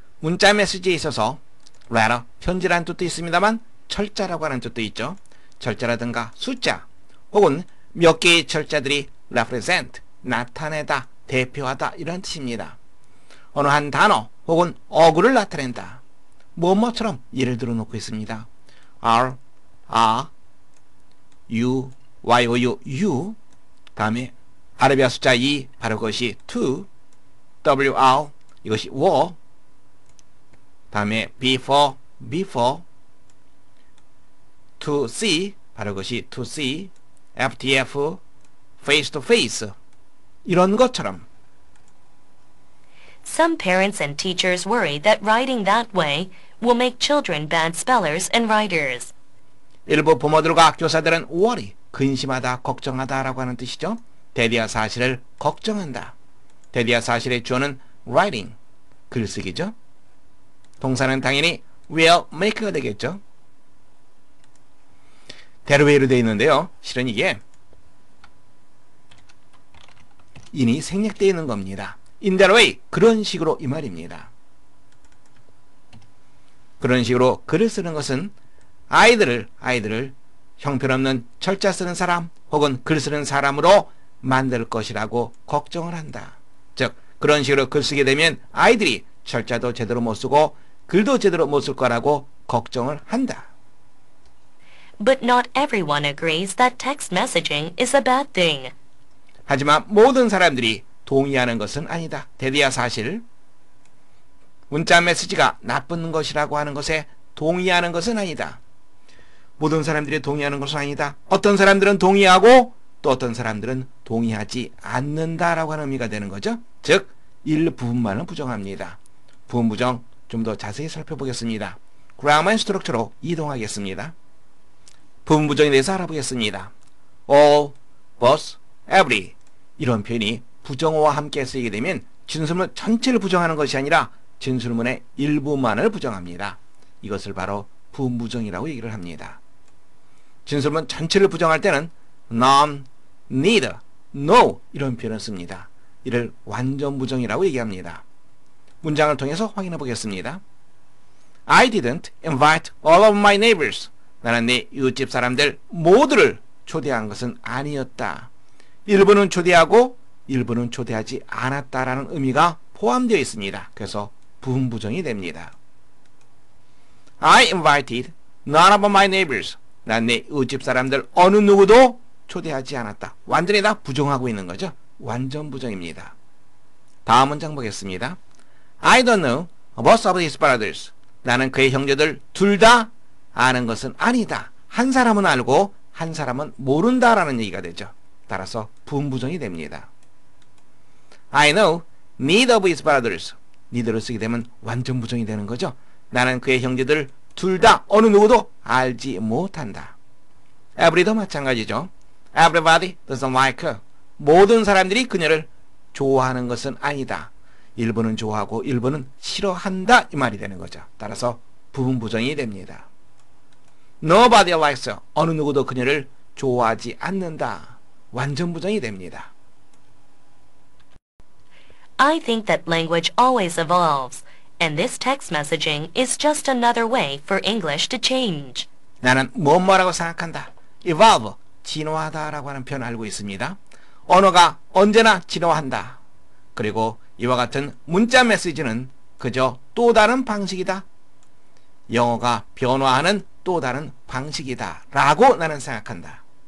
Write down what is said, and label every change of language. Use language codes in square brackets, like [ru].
[ko] 문자 메시지에 있어서 letter, 편지라는 뜻도 있습니다만 철자라고 하는 뜻도 있죠. 철자라든가 숫자 혹은 몇 개의 철자들이 represent, 나타내다, 대표하다 이런 뜻입니다. 어느 한 단어 혹은 어구를 나타낸다. 뭐뭐처럼 예를 들어 놓고 있습니다. R, A, U, Y, O, U, U 다음에 아르비아 숫자 2 바로 그것이 2, W, R 이것이 워, 다음에 before, before, [en] to see, [ko] 바로 그것이 to see, FTF, [en] face to face, [ko] 이런 것처럼. [en] Some parents and teachers worry that writing that way will make children bad spellers and writers. [ko] 일부 부모들과 교사들은 worry, 근심하다, 걱정하다 라고 하는 뜻이죠. 대디아 사실을 걱정한다. 대디아 사실의 주어는 writing. 글쓰기죠. 동사는 당연히 will make가 되겠죠. 대로외로 되어 있는데요. 실은 이게 in이 생략되어 있는 겁니다. [en] In that way [ko] 그런 식으로 이 말입니다. 그런 식으로 글을 쓰는 것은 아이들을 형편없는 철자 쓰는 사람 혹은 글 쓰는 사람으로 만들 것이라고 걱정을 한다. 즉 그런 식으로 글 쓰게 되면 아이들이 철자도 제대로 못 쓰고 글도 제대로 못 쓸 거라고 걱정을 한다. [en] But not everyone agrees that text messaging is a bad thing. [ko] 하지만 모든 사람들이 동의하는 것은 아니다. 대디아 사실 문자 메시지가 나쁜 것이라고 하는 것에 동의하는 것은 아니다. 모든 사람들이 동의하는 것은 아니다. 어떤 사람들은 동의하고 또 어떤 사람들은 동의하지 않는다라고 하는 의미가 되는 거죠. 즉 일부분만을 부정합니다. 부분부정 좀 더 자세히 살펴보겠습니다. 그라머 앤 스트럭처로 이동하겠습니다. 부분부정에 대해서 알아보겠습니다. All, both, every 이런 표현이 부정어와 함께 쓰이게 되면 진술문 전체를 부정하는 것이 아니라 진술문의 일부만을 부정합니다. 이것을 바로 부분부정이라고 얘기를 합니다. 진술문 전체를 부정할 때는 none, neither, no 이런 표현을 씁니다. 이를 완전부정이라고 얘기합니다. 문장을 통해서 확인해 보겠습니다. [en] I didn't invite all of my neighbors. [ko] 나는 내 이웃집 사람들 모두를 초대한 것은 아니었다. 일부는 초대하고 일부는 초대하지 않았다라는 의미가 포함되어 있습니다. 그래서 부분부정이 됩니다. [en] I invited none of my neighbors. [ko] 난 내 이웃집 사람들 어느 누구도 초대하지 않았다. 완전히 다 부정하고 있는 거죠. 완전부정입니다. 다음 문장 보겠습니다. [en] I don't know both of his brothers. [ko] 나는 그의 형제들 둘 다 아는 것은 아니다. 한 사람은 알고 한 사람은 모른다 라는 얘기가 되죠. 따라서 분부정이 됩니다. [en] I know neither of his brothers. [ko] neither을 쓰게 되면 완전부정이 되는 거죠. 나는 그의 형제들 둘 다 어느 누구도 알지 못한다. Every도 마찬가지죠. [en] Everybody doesn't like her. [ko] 모든 사람들이 그녀를 좋아하는 것은 아니다. 일부는 좋아하고 일부는 싫어한다 이 말이 되는 거죠. 따라서 부분부정이 됩니다. [en] Nobody likes her. [ko] 어느 누구도 그녀를 좋아하지 않는다. 완전부정이 됩니다. [en] I think that language always evolves, and this text messaging is just another way for English to change. [ko] 나는 뭐뭐라고 생각한다. evolve, 진화하다 라고 하는 표현을 알고 있습니다. 언어가 언제나 진화한다. 그리고 이와 같은 문자 메시지는 그저 또 다른 방식이다. 영어가 변화하는 또 다른 방식이다 라고 나는 생각한다.